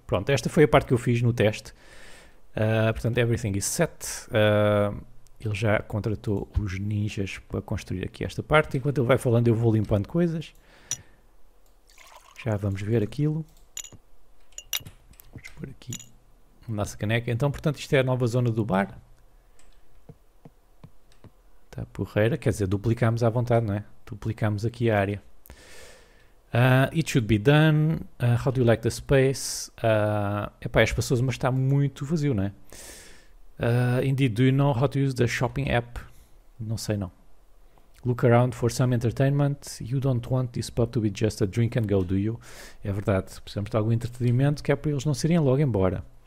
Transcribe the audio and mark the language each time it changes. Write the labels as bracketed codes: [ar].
[pt] Pronto, esta foi a parte que eu fiz no teste, portanto [en] everything is set, [pt] ele já contratou os ninjas para construir aqui esta parte, enquanto ele vai falando eu vou limpando coisas, já vamos ver aquilo, vamos pôr aqui a nossa caneca, então portanto isto é a nova zona do bar. Está porreira, quer dizer, duplicámos à vontade, não é? Duplicámos aqui a área. [en] It should be done. How do you like the space? [pt] Epá, é espaçoso, mas está muito vazio, não é? [en] Indeed, do you know how to use the shopping app? [pt] Não sei, não. [en] Look around for some entertainment. You don't want this pub to be just a drink and go, do you? [pt] É verdade, precisamos de algum entretenimento que é para eles não serem logo embora.